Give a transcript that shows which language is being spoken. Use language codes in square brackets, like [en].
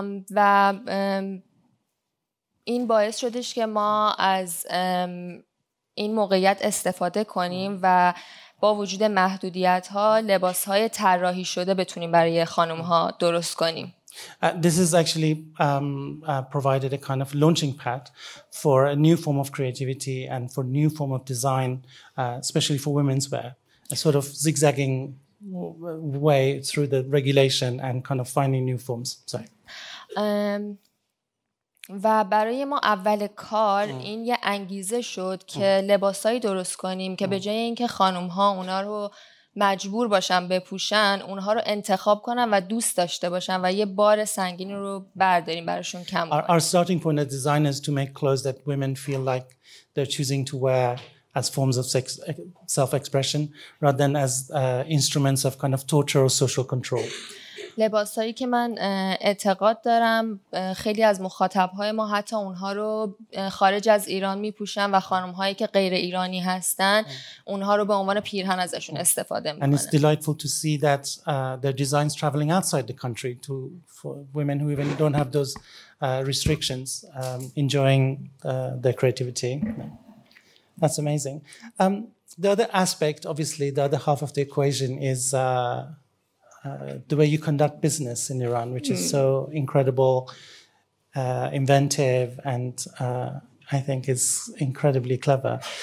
[fa] و این باعث شدش که ما از این موقعیت استفاده کنیم و با وجود محدودیت ها لباس های طراحی شده بتونیم برای خانم ها درست کنیم. [en] This is actually provided a kind of launching pad for a new form of creativity and for new form of design, especially for women's wear, a sort of zigzagging way through the regulation and kind of finding new forms. Sorry. [fa] و برای ما اول کار این یه انگیزه شد که لباسایی درست کنیم که به جای اینکه خانم ها اونا رو مجبور باشن بپوشن، اونها رو انتخاب کنن و دوست داشته باشن و یه بار سنگین رو برداریم براشون کم کنیم. [en] Our starting point as designers to make clothes that women feel like they're choosing to wear as forms of sex self-expression rather than as instruments of kind of torture or social control. [fa] لباسایی که من اعتقاد دارم خیلی از مخاطبهای ما حتی اونها رو خارج از ایران میپوشن و خانمهایی که غیر ایرانی هستن اونها رو به عنوان پیرهن ازشون استفاده میکنن. [en] And it's delightful to see that their designs traveling outside the country to for women who even don't have those restrictions enjoying their creativity. That's amazing. The other aspect, obviously, the other half of the equation is the way you conduct business in Iran, which is so incredible, inventive, and I think is incredibly clever.